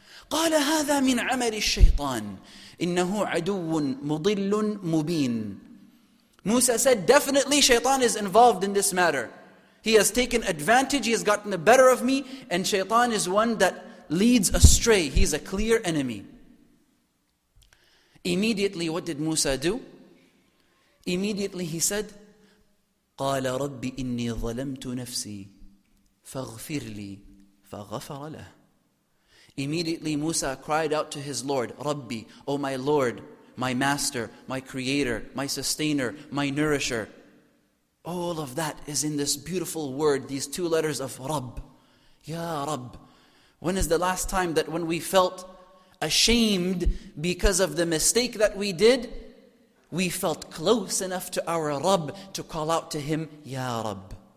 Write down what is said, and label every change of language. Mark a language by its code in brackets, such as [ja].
[ar] قَالَ هَذَا مِنْ عَمَلِ الشَّيْطَانِ إِنَّهُ عَدُوٌ مُضِلٌ مُبِينٌ. [en] Musa said, definitely shaitan is involved in this matter. He has taken advantage, he has gotten the better of me, and shaitan is one that leads astray. He's a clear enemy. Immediately, what did Musa do? Immediately he said, [ar] قَالَ رَبِّ إِنِّي ظَلَمْتُ نَفْسِي فَاغْفِرْ لِي فَغَفَرَ لَهُ. [en] Immediately Musa cried out to his Lord, Rabbi, O my Lord, my master, my creator, my sustainer, my nourisher. All of that is in this beautiful word, these two letters of Rabb. Ya Rabb. When is the last time that when we felt ashamed because of the mistake that we did, we felt close enough to our Rabb to call out to him, Ya Rabb.